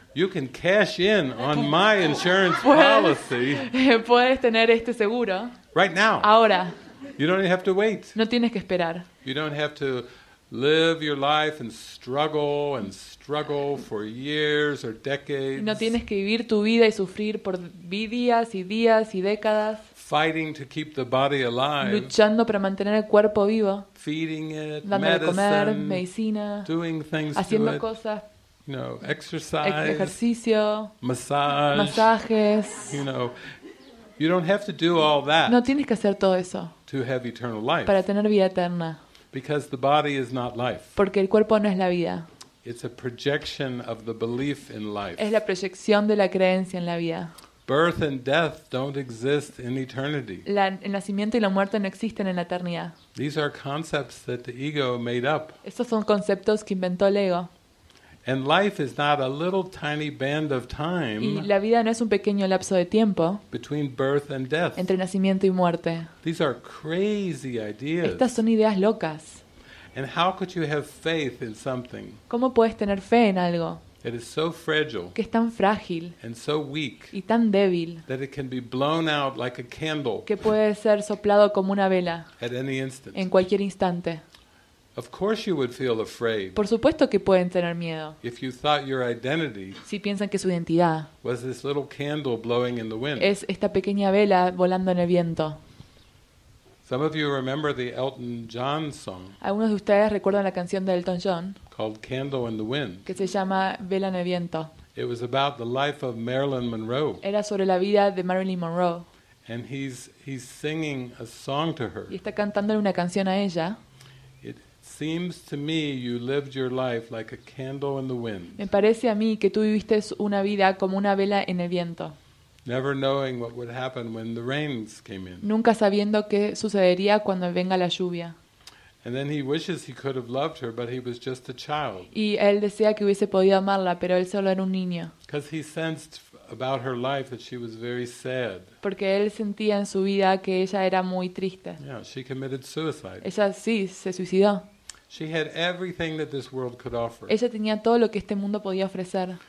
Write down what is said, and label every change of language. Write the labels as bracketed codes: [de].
[en] You can cash in on my insurance policy. [es] Puedes tener este seguro. [en] Right now. [es] Ahora. [en] You don't have to wait. [es] No tienes que esperar. [en] You don't have to live your life and struggle for years or decades. [es] No tienes que vivir tu vida y sufrir por días y días y décadas. [en] Fighting to keep the body alive. [es] Luchando para mantener el cuerpo vivo. [en] Feeding it. [es] Dándole [en] medicine, [es] comer, medicina. [en] Doing things. [es] Haciendo [en] to [es] cosas. [en] You know, exercise, [es] ejercicio, [en] massage, [es] masajes. [en] You know, you don't have to do all that. [es] No tienes que hacer todo eso. [en] To have eternal life. [es] Para tener vida eterna. [en] Because the body is not life. [es] Porque el cuerpo no es la vida. [en] It's a projection of the belief in life. [es] Es la proyección de la creencia en la vida. [en] Birth and death don't exist in eternity. [es] El nacimiento y la muerte no existen en la eternidad. [en] These are concepts that the ego made up. [es] Estos son conceptos que inventó el ego. [en] And life is not a little tiny band of time. [es] Y la vida no es un pequeño lapso de tiempo. [en] Between birth and death. [es] Entre nacimiento y muerte. [en] These are crazy ideas. [es] Estas son ideas locas. [en] And how could you have faith in something? [es] ¿Cómo puedes tener fe en algo? [en] It is so fragile. [es] Que es tan frágil. [en] And so weak. [es] Y tan débil. [en] That it can be blown out like a candle. [es] Que puede ser soplado como una vela. [en] At any instant. [es] En cualquier instante. [en] Of course you would feel afraid. [es] Por supuesto que pueden tener miedo. [en] If you thought your identity. [es] Si piensan que su identidad. [en] Was this little candle blowing in the wind. [es] Es esta pequeña vela volando en el viento. [en] Some of you remember the Elton John song. [es] Algunos de ustedes recuerdan la canción de Elton John. [en] Called Candle in the Wind. [es] Que se llama Vela en el viento. [en] It was about the life of Marilyn Monroe. [es] Era sobre la vida de Marilyn Monroe. [en] And he's singing a song to her. [es] Y está cantándole una canción a ella. [en] It seems to me you lived your life like a candle in the wind. [es] Me parece a mí que tú viviste una vida como una vela en el viento. [en] Never knowing what would happen when the rains came in. [es] Nunca sabiendo qué sucedería cuando venga la lluvia. [en] And then he wishes he could have loved her, but he was just a child. [es] Y él desea que hubiese podido amarla, pero él solo era un niño. [en] Because he sensed about her life that she was very sad. [es] Porque él sentía en su vida que ella era muy triste. [en] Yeah, she committed suicide. [es] Ella sí se suicidó. [en] She had everything that this world could offer. [es] Ella tenía todo lo que este mundo podía ofrecer.